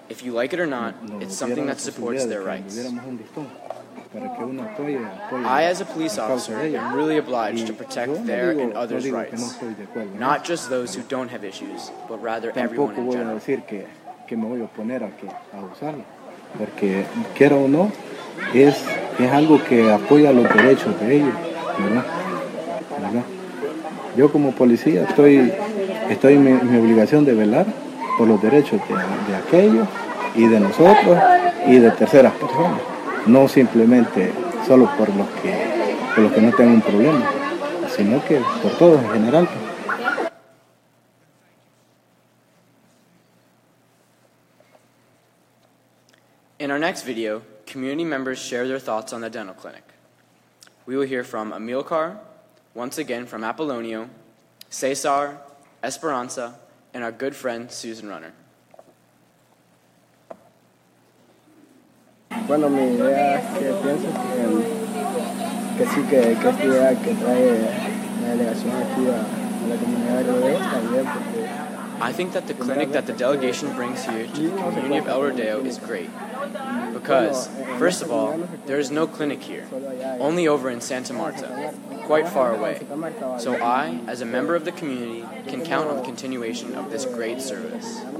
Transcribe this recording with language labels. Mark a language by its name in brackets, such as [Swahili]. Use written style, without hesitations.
[English] If you like it or not, it's something that supports their rights. I, as a police officer, am really obliged to protect their and others' rights, not just those who don't have issues, but rather everyone in general. [Spanish] Porque quiera o no, es algo que apoya los derechos de ellos, ¿verdad? Yo como policía estoy en mi obligación de velar por los derechos de aquellos y de nosotros y de terceras personas, no simplemente solo por los que no tengan un problema, sino que por todos en general. [English] In our next video, community members share their thoughts on the dental clinic. We will hear from Amilcar, once again from Apollonio, Cesar, Esperanza, and our good friend Susan Runner. [Spanish] Bueno, mi idea es que pienso que sí, que esta idea que trae la delegación aquí a la comunidad de Rodeo está bien porque. [English] I think that the clinic that the delegation brings here to the community of El Rodeo is great because, first of all, there is no clinic here, only over in Santa Marta, quite far away. So I, as a member of the community, can count on the continuation of this great service.